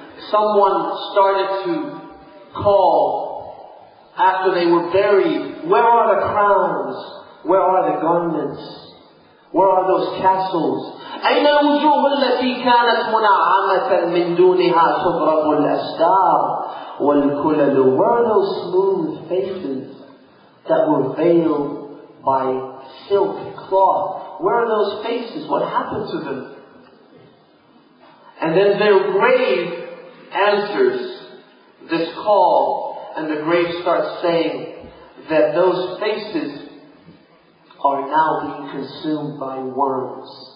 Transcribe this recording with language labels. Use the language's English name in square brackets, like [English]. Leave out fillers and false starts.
[English] Someone started to call after they were buried, where are the crowns? Where are the garments? Where are those castles? [Arabic] أين الوجوه التي كانت منعمة من دونها تضرب الأستار والكلل. [English] Where are those smooth faces that were veiled by silk cloth? Where are those faces? What happened to them? And then their grave answers this call, and the grave starts saying that those faces are now being consumed by worms.